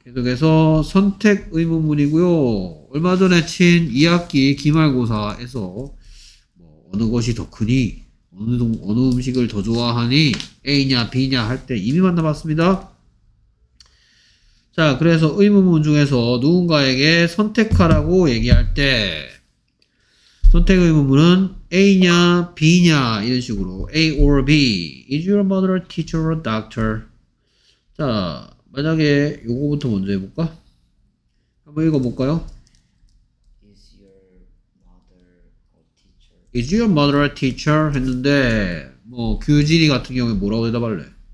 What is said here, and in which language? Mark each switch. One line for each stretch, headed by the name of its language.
Korean: 계속해서 선택 의문문이고요. 얼마 전에 친 2학기 기말고사에서 뭐 어느 것이 더 크니, 어느 음식을 더 좋아하니, A냐 B냐 할 때 이미 만나봤습니다. 자, 그래서 의문문 중에서 누군가에게 선택하라고 얘기할 때 선택 의문문은 A냐 B냐 이런 식으로 A or B.
English: Is your mother a teacher or a doctor?
Korean: 자, 만약에 요거부터 먼저 해볼까? 한번 읽어볼까요?
English: Is your mother a teacher? Is your mother a teacher?
Korean: 했는데 뭐 규진이 같은 경우에 뭐라고 대답할래?